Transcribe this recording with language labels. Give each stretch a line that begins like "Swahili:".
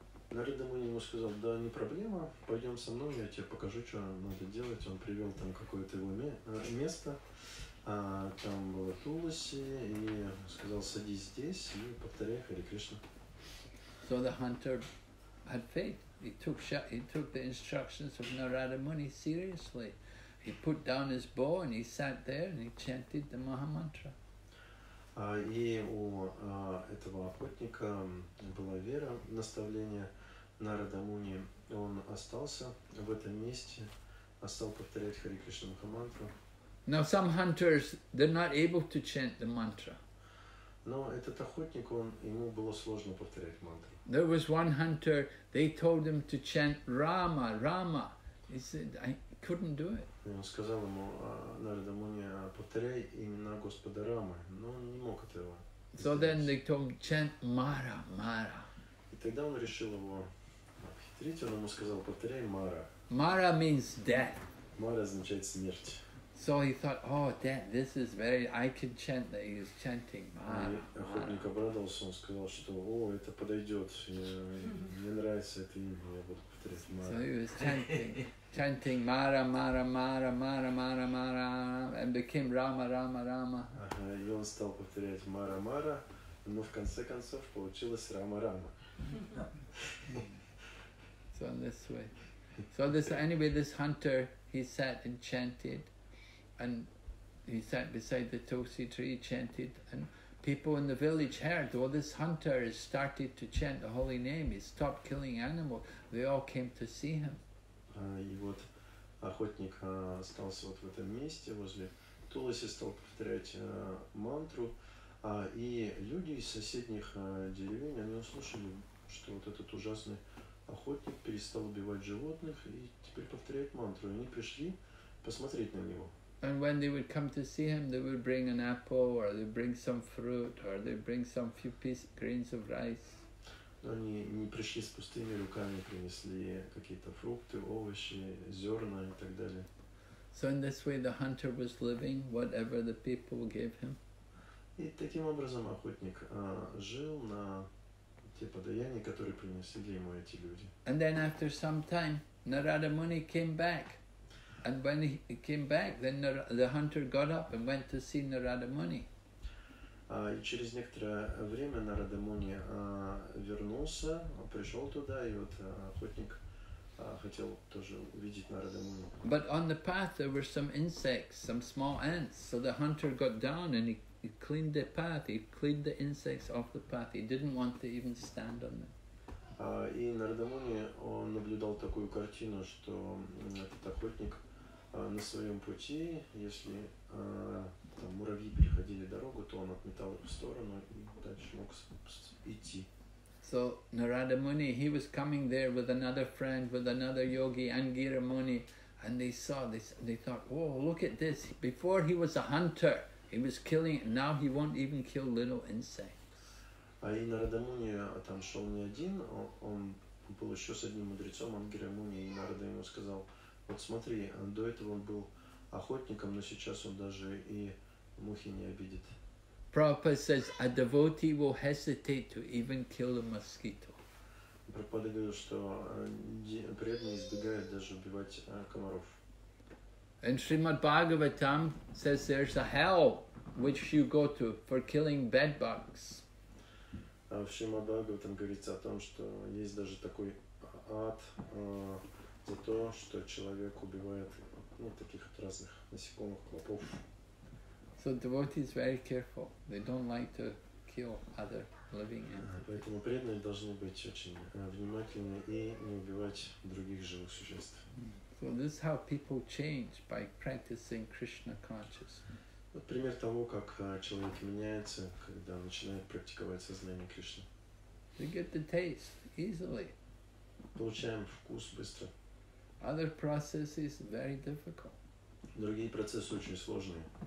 Russian: Нарада Муни ему сказал, да, не проблема, пойдем со мной, я тебе покажу, что надо делать. Он привел там какое-то его место, там было туласи, и сказал, садись здесь и повторяй Харе Кришна.
English: So the hunter had faith. He took the instructions of Narada Muni seriously. He put down his bow and he sat there and he chanted the Mahamantra.
Russian: И у этого охотника была вера, наставление Нарада Муни. Он остался в этом месте, стал повторять Харе Кришна Махамантру.
English: Now some hunters, they're not able to chant the mantra.
Russian: Но этот охотник, он, ему было сложно повторять мантру.
English: There was one hunter, they told him to chant Rama, Rama. He said, I couldn't do it.
Russian: И он сказал ему, Нарада Муни, повторяй имена Господа Рамы. Но он не мог этого.
English: So then they told him, chant Mara, Mara.
Russian: И тогда он решил его обхитрить, он ему сказал, повторяй Mara.
English: Mara means death.
Russian: Mara означает смерть.
English: So he thought, oh, death, this is very, I can chant that he's chanting Mara.
Russian: И охотник обрадовался, он сказал, что, о, это подойдет, мне нравится это имя, я буду повторять Mara.
English: So he was chanting Mara, Mara, Mara, Mara, Mara, Mara, and became Rama, Rama, Rama.
Russian: И он стал повторять Mara, Mara, но в конце концов получилось Rama, Rama.
English: So in this way. So this, anyway, this hunter, he sat and chanted. And he sat beside the tosi tree, chanted, and people in the village heard, well, this hunter has started to chant the holy name, he stopped killing animals. They all came to see him.
Russian: И вот охотник остался вот в этом месте, возле туласи, стал повторять мантру, и люди из соседних деревень, они услышали, что вот этот ужасный охотник перестал убивать животных и теперь повторяет мантру. И они пришли посмотреть на него.
English: And when they would come to see him, they would bring an apple, or they'd bring some fruit, or they'd bring some few grains of rice.
Russian: Они не пришли с пустыми руками, принесли какие-то фрукты, овощи, зерна и так далее.
English: So in this way the hunter was living whatever the people gave him.
Russian: И таким образом охотник жил на те подаяния, которые принесли ему эти люди.
English: And then after some time, Narada Muni came back. And when he came back, then the hunter got up and went to see Narada Muni.
Russian: И через некоторое время Нарада Муни вернулся, пришел туда, и вот охотник хотел тоже увидеть Нарада Муни.
English: But on the path there were some insects, some small ants. So the hunter got down and he cleaned the path, he cleaned the insects off the path. He didn't want to even stand on them.
Russian: И Нарада Муни, он наблюдал такую картину, что этот охотник на своем пути, если там муравьи переходили дорогу, то он отметал их в сторону и дальше мог идти.
English: So Narada Muni, he was coming there with another friend, with another yogi, Angira Muni, and they saw this, they thought, whoa, look at this. Before he was a hunter, he was killing, now he won't even kill little insects.
Russian: А и Нарада Муни там шел не один, он был еще с одним мудрецом, Ангира Муни, и Нарада ему сказал, вот смотри, до этого он был охотником, но сейчас он даже и мухи не обидит.
English: Prabhupada says a devotee will hesitate to even kill a mosquito.
Russian: Прабхупада говорит, что преданные избегают даже убивать комаров.
English: And Srimad Bhagavatam says there's a hell which you go to for killing bedbugs.
Russian: В Шримад Бхагаватам говорится о том, что есть даже такой ад за то, что человек убивает таких разных насекомых, клопов.
English: So devotees very careful. They don't like to kill other living animals.
Russian: Поэтому преданные должны быть очень внимательны и не убивать других живых существ.
English: So this is how people change by practicing Krishna consciousness.
Russian: Вот пример того, как человек меняется, когда начинает практиковать сознание Кришны.
English: They get the taste easily.
Russian: Получаем вкус быстро.
English: Other processes very difficult.
Russian: Другие процессы очень сложные.